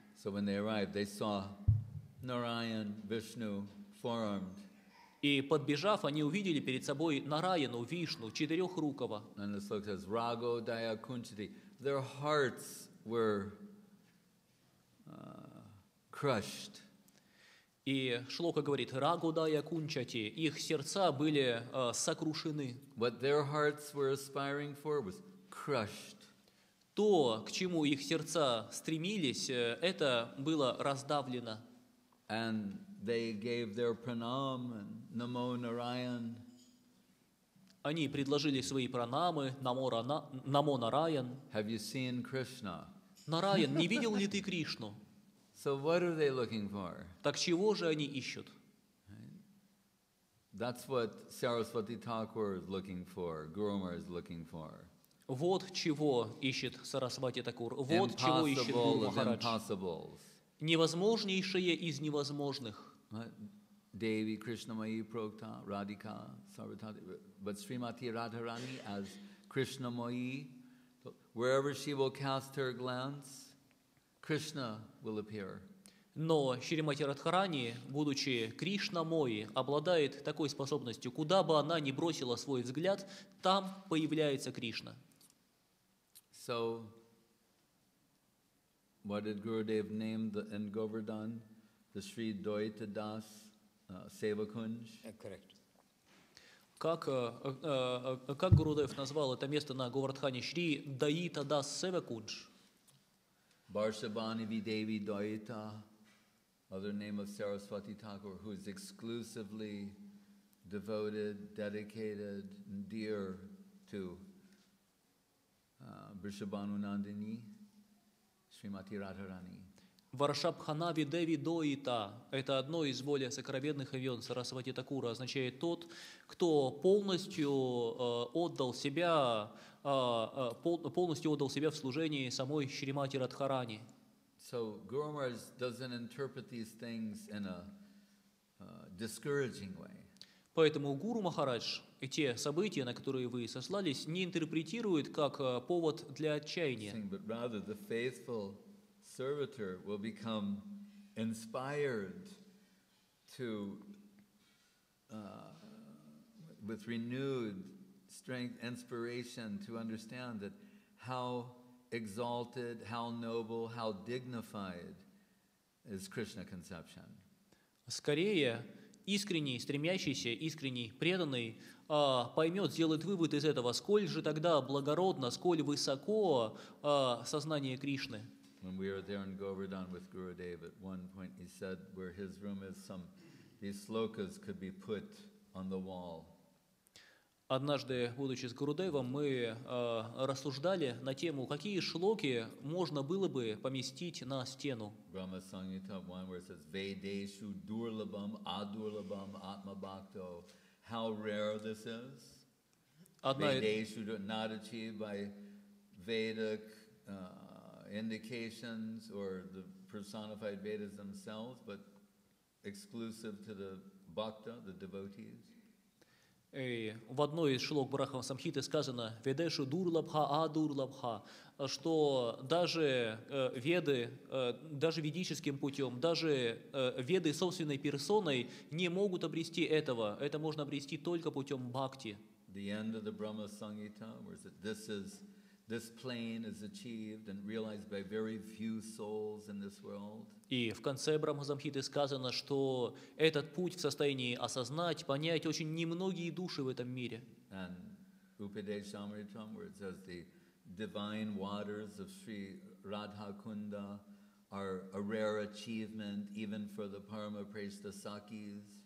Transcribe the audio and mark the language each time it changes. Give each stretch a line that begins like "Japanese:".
English: So when they arrived, they saw Narayan, Vishnu, four-armed.
Russian: И подбежав, они увидели перед собой Нараяну, Вишну, четырехрукого.
English: And the sloka says,
Sanskrit: Rago Daya Kunchati.
English: Their hearts were crushed.
Russian: И шлока говорит,
Sanskrit: Rago Daya Kunchati.
Russian: Их сердца были сокрушены.
English: What their hearts were aspiring for was crushed.
Russian: То, к чему их сердца стремились, это было раздавлено.
English: And they gave their pranam and namo Narayan.
Russian: Они предложили свои пранамы, намо Нараян.
English: Have you seen Krishna?
Russian: Нараян, не видел ли ты Кришну?
English: So what are they looking for?
Russian: Так чего же они ищут?
English: That's what Saraswati Thakur is looking for, Guru Maharaj is looking for.
Russian: Вот чего ищет Сарасвати Такур, вот чего ищет Гуру Махарадж.
English: Impossible.
Russian: Невозможнейшее из невозможных.
Sanskrit: Деви Кришна Майи Прокта Радика Сарватати.
English: But Srimati Radharani as Krishna Mayi, wherever she will cast her glance, Krishna will appear.
Russian: Но Шримати Радхарани, будучи Кришна Мои, обладает такой способностью, куда бы она ни бросила свой взгляд, там появляется Кришна.
English: So, what did Gurudev name the, in Govardhan? the Sri Dvaita Das Seva Kunj. Correct.
Russian: Как Гурудев назвал это место на Говардхане? Шри Дайта Дас Сева Кунж.
English: Барсабани Видеви Дайта, other name of Сарасвати Тхакур, who is exclusively devoted, dedicated, dear to Бришабану Нандини, Шримати Радхарани.
Russian: Варшабхана Видеви Дойта – это одно из более сокровенных имен Сарасвати Такура, означает тот, кто полностью отдал себя, полностью отдал себя в служении самой Шримати Радхарани.
English: So Guru Maharaj doesn't interpret these things in a discouraging way.
Russian: Поэтому Гуру Махарадж те события, на которые вы сослались, не интерпретирует как повод для отчаяния.
English: But rather the faithful servitor will become inspired to with renewed strength, inspiration to understand that how exalted, how noble, how dignified is Krishna conception.
Russian: Скорее, искренний, стремящийся, искренний, преданный поймет, сделает вывод из этого, сколь же тогда благородно, сколь высоко сознание Кришны.
English: When we were there in Govardhan with Gurudev, at one point he said, where his room is, some these slokas could be put on the wall.
Russian: Однажды, будучи с Гурудевом, мы рассуждали на тему, какие шлоки можно было бы поместить на стену.
English: Brahma Sangita, one where it says,
Sanskrit: Vedeshu Durlabham Adurlabham Atma Bhakto.
English: How rare this is. Vedeshu, not achieved by Vedic indications or the personified Vedas themselves, but exclusive to the Bhakta, the devotees.
Russian: И в одной из шлок Брахма Самхиты сказано
Sanskrit: «Ведешу дурлабха, а дурлабха»,
Russian: что даже веды, даже ведическим путем, даже веды собственной персоной не могут обрести этого. Это можно обрести только путем бхакти.
English: The end of the Brahma Sangita, where this plane is achieved and realized by very few souls in this world.
Russian: И в конце Брахмасамхиты сказано, что этот путь в состоянии осознать, понять очень немногие души в этом мире.
English: And Upadeshamritam, where it says the divine waters of Sri Radha Kunda are a rare achievement even for the Parama Prestha Sakis.